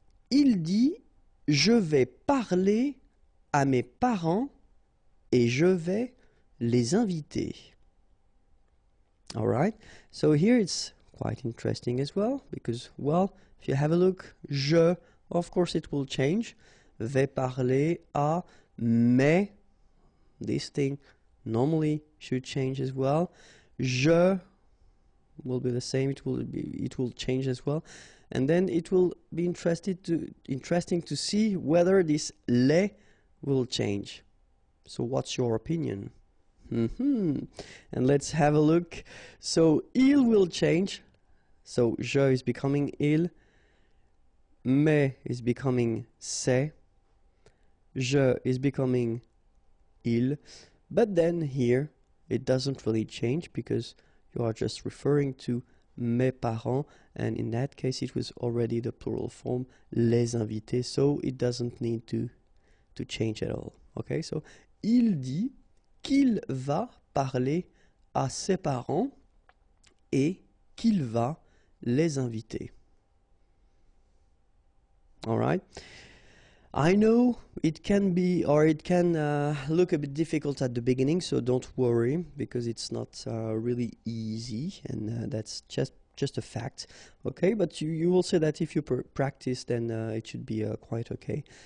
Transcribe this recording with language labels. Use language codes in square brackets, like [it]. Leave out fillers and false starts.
[fr] Il dit je vais parler à mes parents et je vais les inviter. [en] Alright, so here it's quite interesting as well, because, well, if you have a look, je, of course it will change, [fr] vais parler à mes, [en] this thing normally should change as well, je will be the same, it will change as well, and then it will be interesting to see whether this les will change. So what's your opinion? Mm-hmm. And let's have a look. So il will change. So je is becoming il. Mais is becoming c'est. Je is becoming il. But then here, it doesn't really change because you are just referring to [fr] mes parents. [en] And in that case, it was already the plural form, [fr] les invités. [en] So it doesn't need to change at all. Okay, so [fr] il dit qu'il va parler à ses parents et qu'il va les inviter. [en] Alright. I know it can be, or it can look a bit difficult at the beginning, so don't worry, because it's not really easy, and that's just a fact. Okay, but you will say that if you practice, then it should be quite okay.